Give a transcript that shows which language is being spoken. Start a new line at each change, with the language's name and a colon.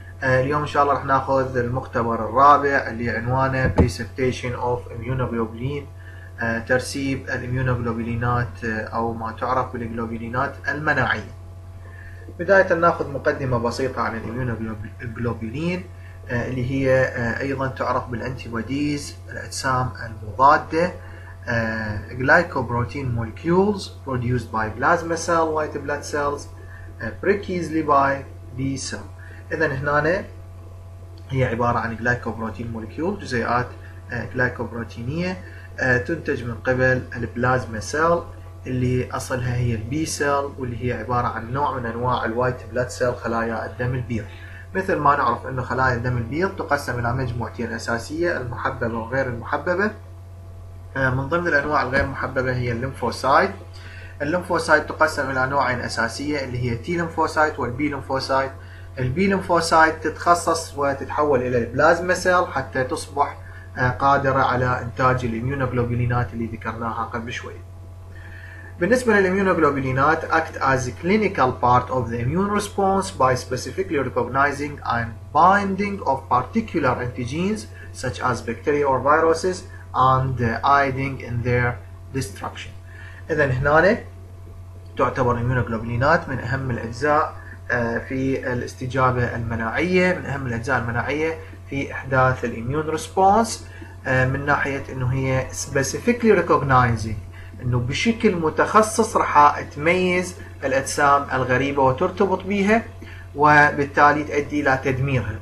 Arabic: اليوم إن شاء الله راح ناخذ المختبر الرابع اللي عنوانه
English: Presentation of Immunoglobulin،
Arabic: ترسيب الإميونوغلوبولينات أو ما تعرف بالجلوبولينات المناعية. بداية ناخذ مقدمة بسيطة عن الإميونوغلوبولين اللي هي أيضا تعرف بالأنتيبوديز، الأجسام المضادة.
English: Glycoprotein molecules produced by plasma cell, white blood cells, pretty easily by B cell.
Arabic: إذا هنا هي عبارة عن glycoprotein molecule، جزيئات glycoproteinية تنتج من قبل البلازما سيل اللي أصلها هي البي سيل، واللي هي عبارة عن نوع من أنواع الوايت بلاد سيل، خلايا الدم البيض. مثل ما نعرف أنه خلايا الدم البيض تقسم إلى مجموعتين أساسية، المحببة وغير المحببة. من ضمن الأنواع الغير محببة هي الليمفوسايت. الليمفوسايت تقسم إلى نوعين أساسية اللي هي تي ليمفوسايت والبي ليمفوسايت. البي ليمفوسايت تتخصص وتتحول إلى البلازما سيل حتى تصبح قادرة على إنتاج الإميونوغلوبولينات اللي ذكرناها قبل شوي. بالنسبة للإميونوغلوبولينات
English: act as a clinical part of the immune response by specifically recognizing and binding of particular antigens such as bacteria or viruses and aiding in their destruction.
Arabic: إذا هنا تعتبر الإميونوغلوبولينات من أهم الأجزاء في الاستجابة المناعية، من أهم الأجزاء المناعية في إحداث الإميون ريسبونس، من ناحية أنه هي
English: specifically recognizing،
Arabic: أنه بشكل متخصص رح تميز الأجسام الغريبة وترتبط بها وبالتالي تؤدي إلى تدميرها.